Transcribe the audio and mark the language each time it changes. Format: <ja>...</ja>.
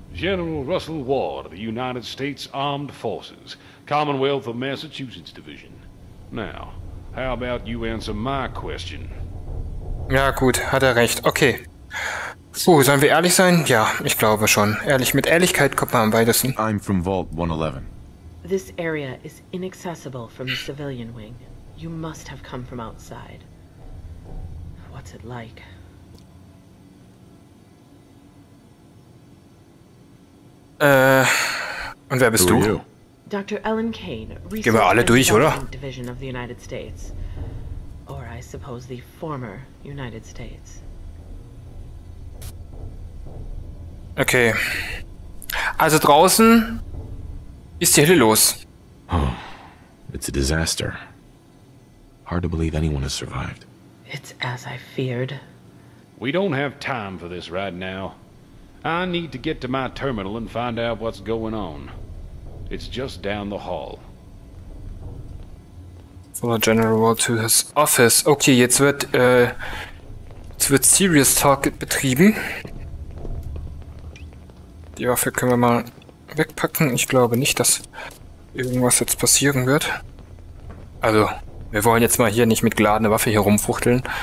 <en>General Russell Ward, the United States Armed Forces, Commonwealth of Massachusetts Division. Now, how about you answer my question?</en> <de>Ja gut, hat er recht. Okay. Puh, sollen wir ehrlich sein? Ja, ich glaube schon. Ehrlich, mit Ehrlichkeit kommt man am weitesten.</de> <en>I'm from Vault 111. This area is inaccessible from the civilian wing. You must have come from outside. What's it like?</en> <de>Und wer bist du?</de> <en>Dr. Ellen Kane,</en> <de>gehen wir alle durch, oder?</de> <en>Division of the United States, or I suppose the former United States. Okay.</en> <de>Also draußen ist die Hölle los.</de> <en>Oh, it's a disaster. Hard to believe anyone has survived. It's as I feared. We don't have time for this right now. I need to get to my terminal and find out what's going on. It's just down the hall. Follow General Ward to his office.</en> <de>Okay, jetzt wird</de> <en>Serious Talk</en> <de>betrieben. Die Waffe können wir mal wegpacken. Ich glaube nicht, dass irgendwas jetzt passieren wird. Also, wir wollen jetzt mal hier nicht mit geladener Waffe hier rumfuchteln.</de>